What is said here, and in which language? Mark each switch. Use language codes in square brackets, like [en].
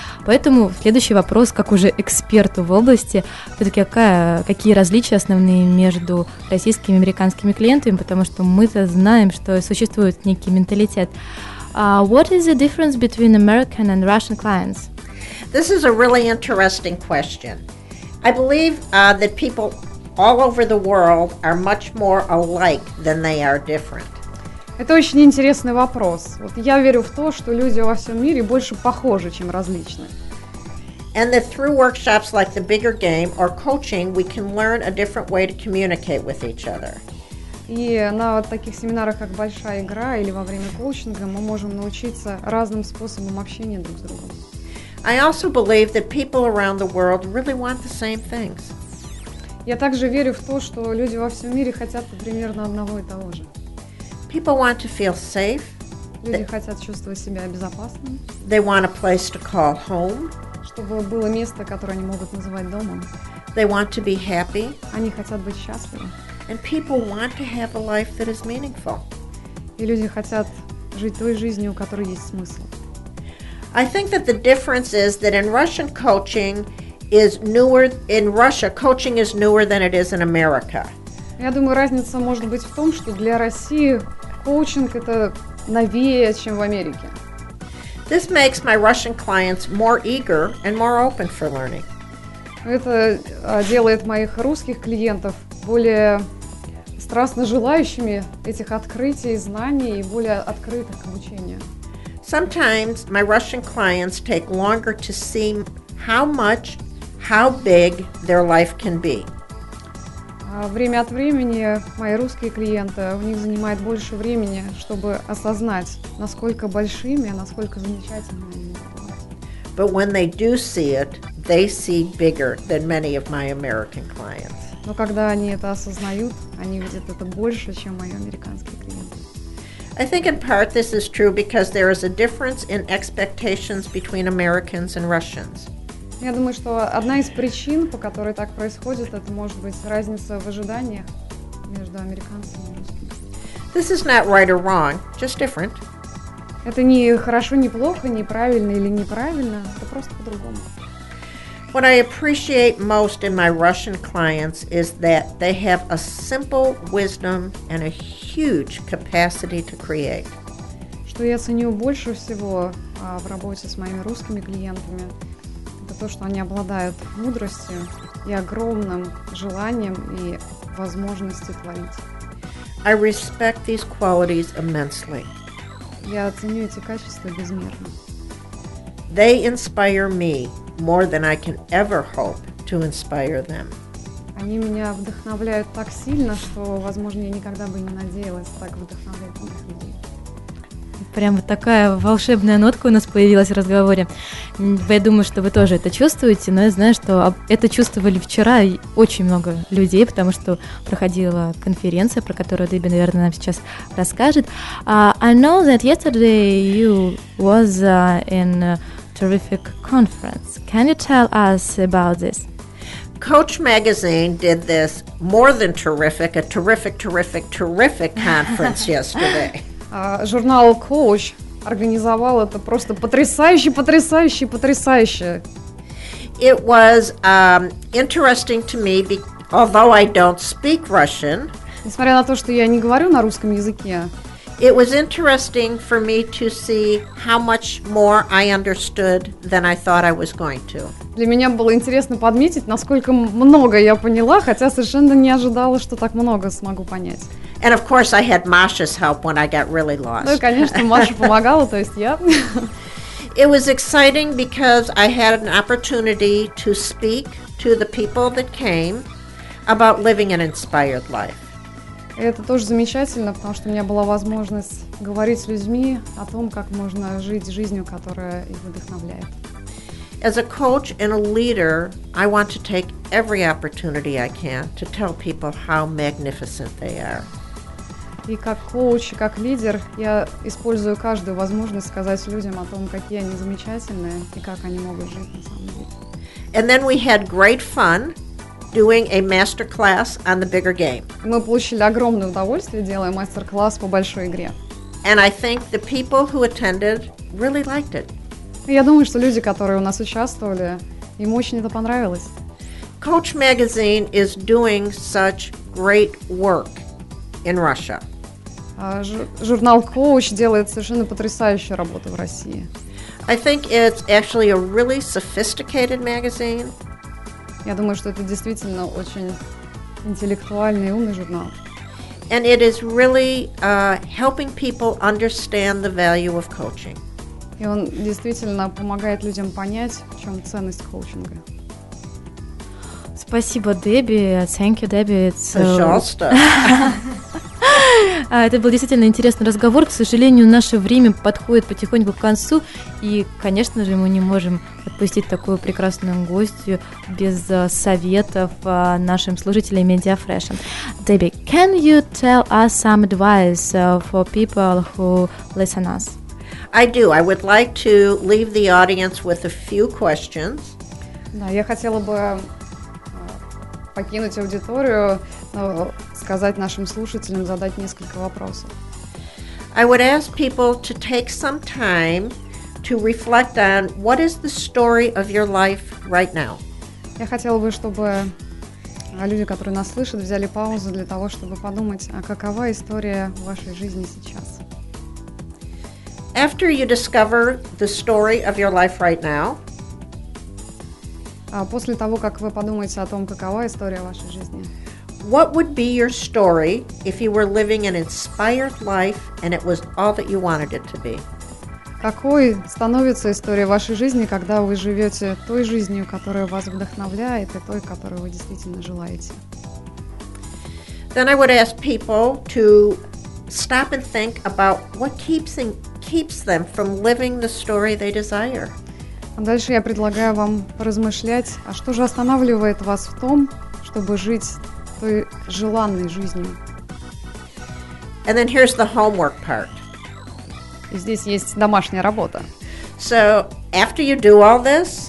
[ru] Поэтому следующий вопрос, как уже эксперту в области, все-таки какие различия основные между российскими и американскими клиентами, потому что мы-то знаем, что существует некий менталитет. [en] What is the difference between American and Russian clients? This is a really interesting question. I believe that people all over the world are much more alike than they are different. [ru] Это очень интересный вопрос. Вот я верю в то, что люди во всем мире больше похожи, чем различны. [en] And that through workshops like the Bigger Game or coaching, we can learn a different way to communicate with each other. [ru] И на вот таких семинарах, как «Большая игра» или во время коучинга, мы можем научиться разным способам общения друг с другом. [en] I also believe that people around the world really want the same things. [ru] Я также верю в то, что люди во всем мире хотят примерно одного и того же. [en] People want to feel safe. [ru] Люди хотят чувствовать себя безопасными. [en] They want a place to call home. [ru] Чтобы было место, которое они могут называть домом. [en] They want to be happy. [ru] Они хотят быть счастливы. [en] And people want to have a life that is meaningful. [ru] И люди хотят жить той жизнью, у которой есть смысл. [en] I think that the difference is that in Russian coaching is newer in Russia. Coaching is newer than it is in America. [ru] Я думаю, разница может быть в том, что для России коучинг это новее, чем в Америке. [en] This makes my Russian clients more eager and more open for learning. [ru] Это делает моих русских клиентов более страстно желающими этих открытий, знаний и более открытых к обучению. [en] Sometimes my Russian clients take longer to see how much, how big their life can be. [ru] Время от времени мои русские клиенты, у них занимает больше времени, чтобы осознать, насколько большими, насколько замечательными они могут быть. [en] But when they do see it, they see bigger than many of my American clients. [ru] Но когда они это осознают, они видят это больше, чем мои американские клиенты. [en] I think in part this is true because there is a difference in expectations between Americans and Russians. [ru] Я думаю, что одна из причин, по которой так происходит, это может быть разница в ожиданиях между американцами и русскими. [en] This is not right or wrong, just different. [ru] Это не хорошо, не плохо, неправильно или неправильно, это просто по-другому. [en] What I appreciate most in my Russian clients is that they have a simple wisdom and a huge capacity to create. [ru] Что я ценю больше всего в работе с моими русскими клиентами, это то, что они обладают мудростью и огромным желанием и возможностью творить. [en] I respect these qualities immensely. [ru] Я ценю эти качества безмерно. [en] They inspire me more than I can ever hope to inspire them. [ru] Они меня вдохновляют так сильно, что, возможно, я никогда бы не надеялась так вдохновлять их людей. Прямо такая волшебная нотка у нас появилась в разговоре. Я думаю, что вы тоже это чувствуете, но я знаю, что это чувствовали вчера очень много людей, потому что проходила конференция, про которую Дебби, наверное, нам сейчас расскажет. [en] I know that yesterday you was in a terrific conference. Can you tell us about this? Coach Magazine did this more than terrific, a terrific, terrific, terrific conference yesterday. [ru] Журнал Coach организовал это просто потрясающе, потрясающе, потрясающе. [en] It was interesting to me, although I don't speak Russian. [ru] Несмотря на то, что я не говорю на русском языке. [en] It was interesting for me to see how much more I understood than I thought I was going to. [ru] Для меня было интересно подметить, насколько много я поняла, хотя совершенно не ожидала, что так много смогу понять. [en] And of course, I had Masha's help when I got really lost. [ru] Ну, конечно, Маша помогала, то есть я. [en] It was exciting because I had an opportunity to speak to the people that came about living an inspired life. [ru] Это тоже замечательно, потому что у меня была возможность говорить с людьми о том, как можно жить жизнью, которая их вдохновляет. [en] As a coach and a leader, I want to take every opportunity I can to tell people how magnificent they are. [ru] И как коуч, и как лидер, я использую каждую возможность сказать людям о том, какие они замечательные и как они могут жить на самом деле. [en] And then we had great fun doing a masterclass on the bigger game. [ru] Мы получили огромное удовольствие, делая мастер-класс по большой игре. [en] And I think the people who attended really liked it. [ru] Я думаю, что люди, которые у нас участвовали, им очень это понравилось. [en] Coach Magazine is doing such great work in Russia. [ru] Журнал Coach делает совершенно потрясающую работу в России. [en] I think it's actually a really sophisticated magazine. [ru] Я думаю, что это действительно очень интеллектуальный и умный журнал. [en] And it is really helping people understand the value of coaching. [ru] И он действительно помогает людям понять, в чем ценность коучинга. Спасибо, [en] Дебби. Thank you, Дебби. [ru] Пожалуйста. Это был действительно интересный разговор. К сожалению, наше время подходит потихоньку к концу. И, конечно же, мы не можем отпустить такую прекрасную гостью без советов нашим слушателям MediaFresh. [en] Дебби, can you tell us some advice for people who listen to us? I do. I would like to leave the audience with a few questions. [ru] Да, я хотела бы покинуть аудиторию, сказать нашим слушателям, задать несколько вопросов. [en] I would ask people to take some time to reflect on what is the story of your life right now. [ru] Я хотела бы, чтобы люди, которые нас слышат, взяли паузу для того, чтобы подумать, а какова история вашей жизни сейчас. [en] After you discover the story of your life right now, [ru] после того, как вы подумаете о том, какова история вашей жизни, [en] what would be your story if you were living an inspired life and it was all that you wanted it to be? [ru] Какой становится история вашей жизни, когда вы живете той жизнью, которая вас вдохновляет, и той, которую вы действительно желаете? [en] Then I would ask people to stop and think about what keeps them from living the story they desire. [ru] Дальше я предлагаю вам поразмышлять, а что же останавливает вас в том, чтобы жить той желанной жизнью? [en] And then here's the homework part. [ru] И здесь есть домашняя работа. [en] So, after you do all this,